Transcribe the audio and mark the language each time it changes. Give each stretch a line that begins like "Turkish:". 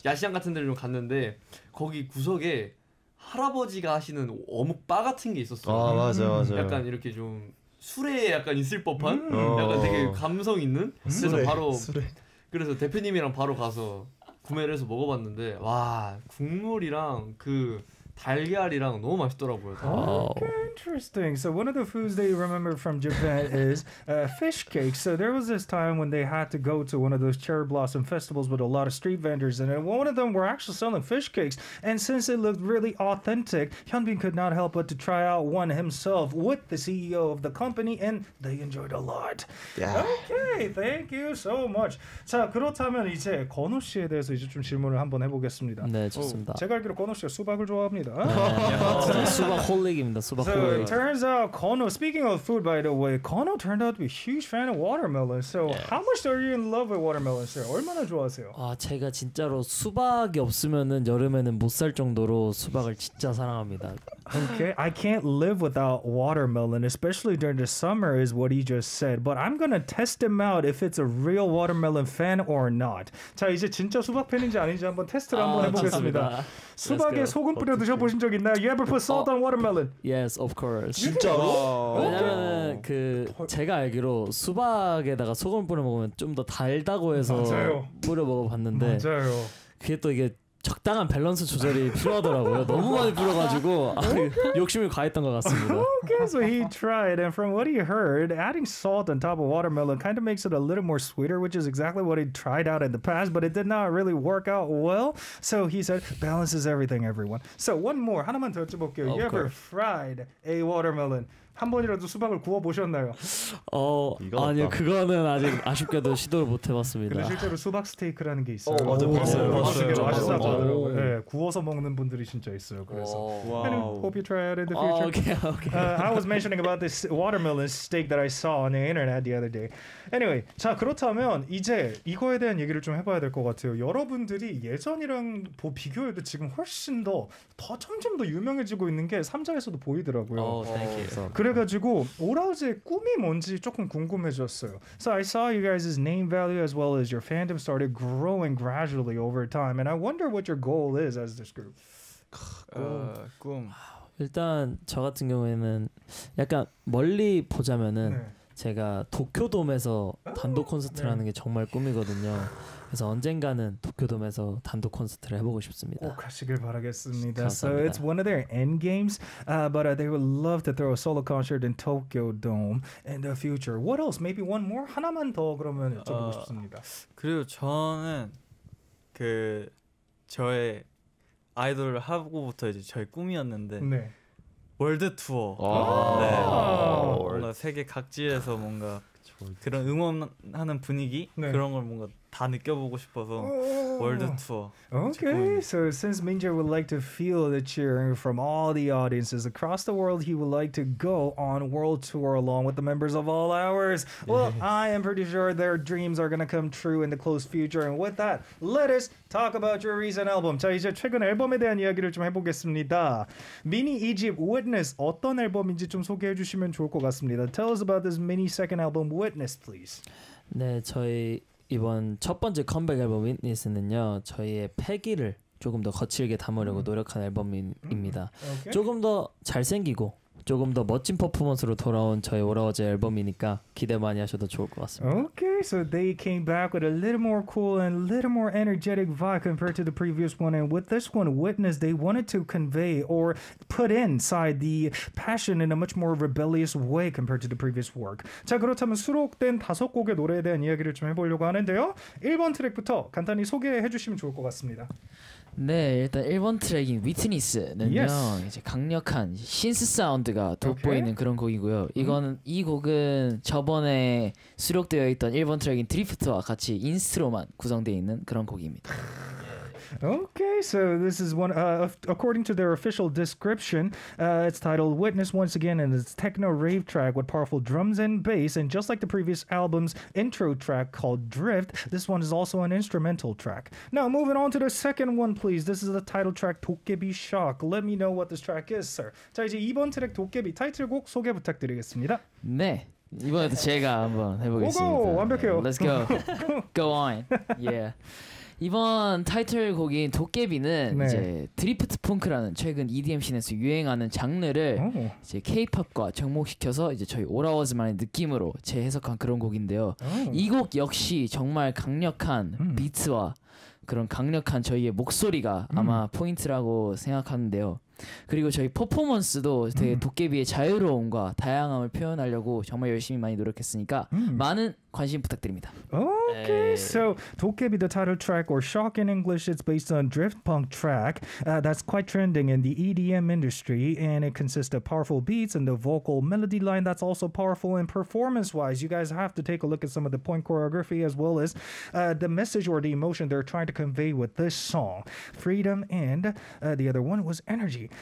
Korean: 야시장 같은 데를 좀 갔는데 거기 구석에 할아버지가 하시는 어묵 바 같은 게 있었어. 아 맞아 맞아. 약간 이렇게 좀 술에 약간 있을 법한 약간 되게 감성 있는 그래서 바로 술에. 그래서 대표님이랑 바로 가서 구매를 해서 먹어봤는데 와 국물이랑 그 달걀이랑 너무 맛있더라고요.
English: Okay, interesting. So one of the foods that you remember from Japan is fish cake. So there was this time when they had to go to one of those cherry blossom festivals with a lot of street vendors in it. One of them were actually selling fish cakes. And since it looked really authentic, Hyunbin could not help but to try out one himself with the CEO of the company, and they enjoyed a lot. Yeah. Okay, thank you so much.
Korean: 자, 그렇다면 이제 건우 씨에 대해서 이제 좀 질문을 한번 해보겠습니다. 네, 좋습니다. 제가 알기로 건우 씨가 수박을 좋아합니다. 수박홀릭입니다. 수박홀릭.
English: So it turns out, Kono. Speaking of food, by the way, Kono turned out to be a huge fan of watermelon. So yes. how much are you in love with watermelon, sir?
Korean: 얼마나 좋아하세요? 아 제가 진짜로 수박이 없으면은 여름에는 못 살 정도로 수박을 진짜 사랑합니다.
English: Okay, I can't live without watermelon, especially during the summer, is what he just said. But I'm gonna test him out if it's a real watermelon fan or not.
Korean: 자 이제 진짜 수박 팬인지 아닌지 한번 테스트를 한번 해보겠습니다. 좋습니다. 수박에 소금 뿌려 드셔보신 적 있나요?
English: You ever put salt on watermelon? Yes, of course.
Korean: 진짜로? 왜냐면 그 제가 알기로 수박에다가 소금 뿌려 먹으면 좀 더 달다고 해서 맞아요. 뿌려 먹어봤는데 맞아요. 그게 또 이게 적당한 밸런스 조절이 필요하더라고요. 너무 많이 뿌려가지고 욕심이 과했던 것 같습니다.
English: Okay, so he tried, and from what he heard, adding salt on top of watermelon kind of makes it a little more sweeter, which is exactly what he tried out in the past, but it did not really work out well. So he said, balance is everything, everyone. So one more,
Korean: 하나만 더 여쭤볼게요.
English: You ever fried a watermelon?
Korean: 한 번이라도 수박을 구워 보셨나요? 어 아니요 그거는 아직 아쉽게도 시도를 못 해봤습니다. 근데 실제로 수박 스테이크라는 게 있어요. 맞아요. 맛있어요. 맛있어요. 구워서 먹는 분들이 진짜 있어요. 그래서
English: hope you try it in the future. Okay, okay. I was mentioning about this watermelon steak that I saw on the internet the other day. Anyway,
Korean: 자 그렇다면 이제 이거에 대한 얘기를 좀 해봐야 될 것 같아요. 여러분들이 예전이랑 비교해도 지금 훨씬 더 점점 더 유명해지고 있는 게 삼자에서도 보이더라고요.
English: Thank you.
Korean: 그래가지고 오라우즈의 꿈이 뭔지 조금 궁금해졌어요.
English: So I saw you guys' name value as well as your fandom started growing gradually over time, and I wonder what your goal is as this group.
Korean: 꿈. 일단 저 같은 경우에는 약간 멀리 보자면은 네. 제가 도쿄돔에서 단독 콘서트를 네. 하는 게 정말 꿈이거든요. 그래서 언젠가는 도쿄돔에서 단독 콘서트를 해보고 싶습니다. 꼭 하시길 바라겠습니다. 감사합니다.
English: So it's one of their end games, but they would love to throw a solo concert in Tokyo Dome in the future. What else? Maybe one more?
Korean: 하나만 더 그러면 여쭤보고 싶습니다. 그리고 저는 그 저의 아이돌을 하고부터 이제 저의 꿈이었는데 네. 월드 투어. 네. 뭔가 세계 각지에서 뭔가 그런 응원하는 분위기 네. 그런 걸 뭔가 다 느껴보고 싶어서 월드 투어.
English: Okay, so since Minjae would like to feel the cheering from all the audiences across the world, he would like to go on world tour along with the members of All Hours. Well, yes. I am pretty sure their dreams are gonna come true in the close future. And with that, let us talk about your recent album.
Korean: 자 이제 최근 앨범에 대한 이야기를 좀 해보겠습니다.
English: Mini Egypt Witness
Korean: 어떤 앨범인지 좀 소개해 주시면 좋을 것 같습니다.
English: Tell us about this mini second album, Witness, please.
Korean: 네, 저희 이번 첫 번째 컴백 앨범 Witness는요 저희의 패기를 조금 더 거칠게 담으려고 노력한 앨범입니다. 조금 더 잘생기고 조금 더 멋진 퍼포먼스로 돌아온 저희 오라워즈 앨범이니까 기대 많이 하셔도 좋을 것 같습니다.
English: Okay, so they came back with a little more cool and a little more energetic vibe compared to the previous one. And with this one, Witness, they wanted to convey or put inside the passion in a much more rebellious way compared to the previous work.
Korean: 자, 그렇다면 수록된 다섯 곡의 노래에 대한 이야기를 좀 해보려고 하는데요. 1번 트랙부터 간단히 소개해 주시면 좋을 것 같습니다. 네, 일단 1번 트랙인 Witness는요, 이제 강력한 신스 사운드가 돋보이는 그런 곡이고요. 이건 이 곡은 저번에 수록되어 있던 1번 트랙인 Drifter와 같이 인스트로만 구성되어 있는 그런 곡입니다.
English: Okay, so this is one, according to their official description, it's titled Witness once again, and it's techno rave track with powerful drums and bass, and just like the previous album's intro track called Drift, this one is also an instrumental track. Now, moving on to the second one, please. This is the title track, 도깨비 Shock. Let me know what this track is, sir.
Korean: 자, 이제 2번 트랙 도깨비 타이틀곡 소개 부탁드리겠습니다. 네. 이번에도 제가 한번 해보겠습니다. 오고, 완벽해요.
English: Let's go. Go on. Yeah.
Korean: 이번 타이틀곡인 도깨비는 네. 이제 드리프트 펑크라는 최근 EDM 씬에서 유행하는 장르를 이제 K-POP과 접목시켜서 이제 저희 오라워즈만의 느낌으로 재해석한 그런 곡인데요. 이 곡 역시 정말 강력한 비트와 그런 강력한 저희의 목소리가 아마 포인트라고 생각하는데요. 그리고 저희 퍼포먼스도 되게 도깨비의 자유로움과 다양함을 표현하려고 정말 열심히 많이 노력했으니까 많은 관심 부탁드립니다.
English: Okay, so 도깨비 the title track or Shock in English is based on drift punk track that's quite trending in the EDM industry and it consists of powerful beats and the vocal melody line that's also powerful and performance wise you guys have to take a look at some of the point choreography as well as the message or the emotion they're trying to convey with this song Freedom and the other one was Energy.